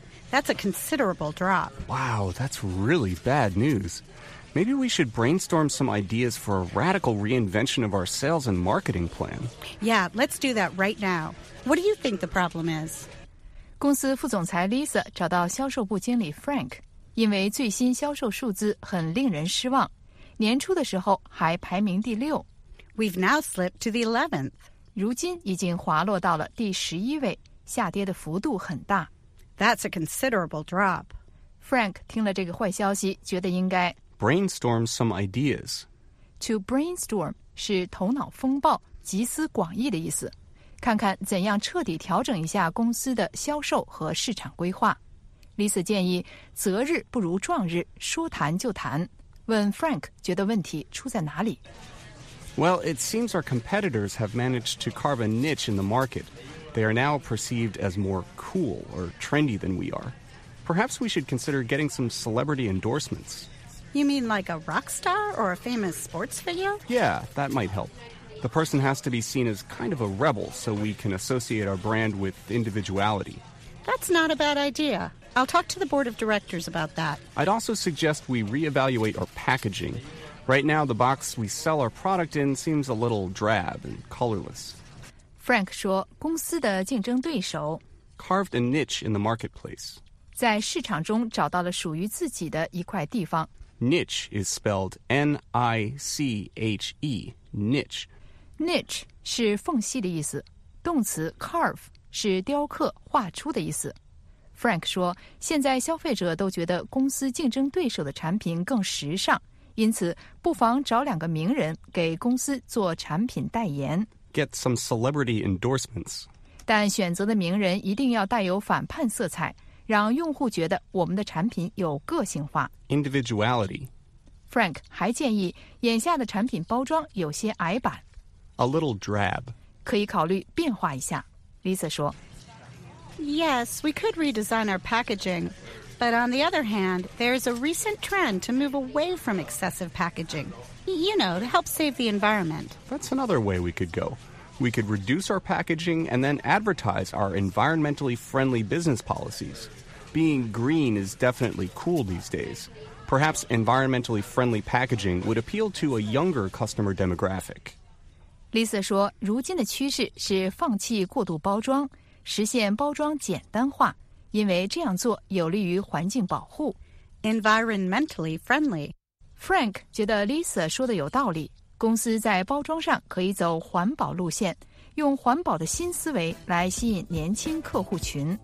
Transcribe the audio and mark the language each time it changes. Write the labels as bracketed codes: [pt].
[en] That's a considerable drop. Wow, that's really bad news. Maybe we should brainstorm some ideas for a radical reinvention of our sales and marketing plan. Yeah, let's do that right now. What do you think the problem is? [zh] 公司副总裁 Lisa 找到销售部经理 Frank， 因为最新销售数字很令人失望，年初的时候还排名第六。 [en] We've now slipped to the 11th. [zh] 如今已经滑落到了第十一位，下跌的幅度很大。 [en] That's a considerable drop. [zh] Frank 听了这个坏消息，觉得应该 [en] brainstorm some ideas. [zh] To brainstorm 是头脑风暴、集思广益的意思。看看怎样彻底调整一下公司的销售和市场规划。 Lisa 建议择日不如撞日，说谈就谈，问 Frank 觉得问题出在哪里。 [en] Well, it seems our competitors have managed to carve a niche in the market. They are now perceived as more cool or trendy than we are. Perhaps we should consider getting some celebrity endorsements. You mean like a rock star or a famous sports figure? Yeah, that might help. The person has to be seen as kind of a rebel so we can associate our brand with individuality. That's not a bad idea. I'll talk to the board of directors about that. I'd also suggest we reevaluate our packaging. Right now, the box we sell our product in seems a little drab and colorless. [zh] Frank 说公司的竞争对手 [en] carved a niche in the marketplace. [zh] 在市场中找到了属于自己的一块地方。 [en] Niche is spelled N-I-C-H-E, niche. [zh] Niche 是缝隙的意思。动词 carve 是雕刻、画出的意思。 Frank 说现在消费者都觉得公司竞争对手的产品更时尚。因此不妨找两个名人给公司做产品代言。 [en] Get some celebrity endorsements. [zh] 但选择的名人一定要带有反叛色彩，让用户觉得我们的产品有个性化。 [en] Individuality. [zh] Frank 还建议眼下的产品包装有些矮板。 [en] A little drab. [zh] 可以考虑变化一下。Lisa 说 [en] Yes, we could redesign our packaging. But on the other hand, there is a recent trend to move away from excessive packaging. You know, to help save the environment. That's another way we could go. We could reduce our packaging and then advertise our environmentally friendly business policies. Being green is definitely cool these days. Perhaps environmentally friendly packaging would appeal to a younger customer demographic. [zh] Lisa 说，如今的趋势是放弃过度包装，实现包装简单化。因为这样做有利于环境保护。 [en] Environmentally friendly. [zh] Frank 觉得 Lisa 说的有道理，公司在包装上可以走环保路线，用环保的新思维来吸引年轻客户群。